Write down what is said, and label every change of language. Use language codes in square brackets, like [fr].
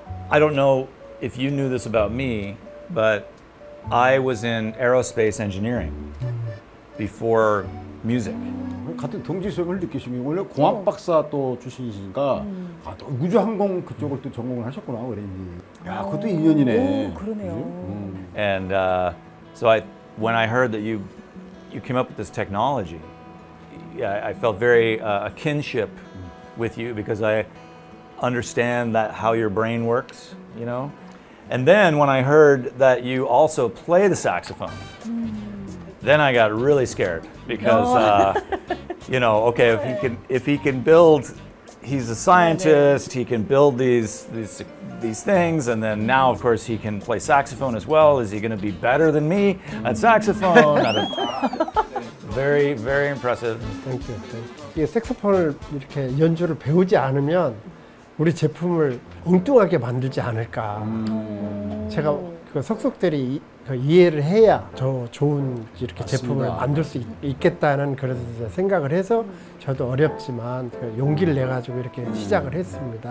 [en] I don't know if you knew this about me, but I was in aerospace engineering before music. [ko] 같은 동지성을 느끼시면 원래 공학 박사 또 출신이시니까 아, 또 우주항공 그쪽을 또 전공을 하셨구나 그랬니. 야, 그것도 인연이네. 그러네요. [en] And so I when I heard that you came up with this technology, yeah, I felt very a kinship with you because I understand that how your brain works, you know. And then when I heard that you also play the saxophone, then I got really scared because, you know, okay, if he can build, he's a scientist, he can build these things, and then now, of course, he can play saxophone as well. Is he going to be better than me at saxophone? very, very impressive. Thank you. Thank you. [ko] 이 색소폰을 이렇게 연주를 배우지 않으면 우리 제품을 엉뚱하게 만들지 않을까. 제가 그 속속들이 이해를 해야 더 좋은 이렇게 맞습니다. 제품을 만들 수 있겠다는 그런 생각을 해서 저도 어렵지만 그 용기를 내가지고 이렇게 시작을 했습니다.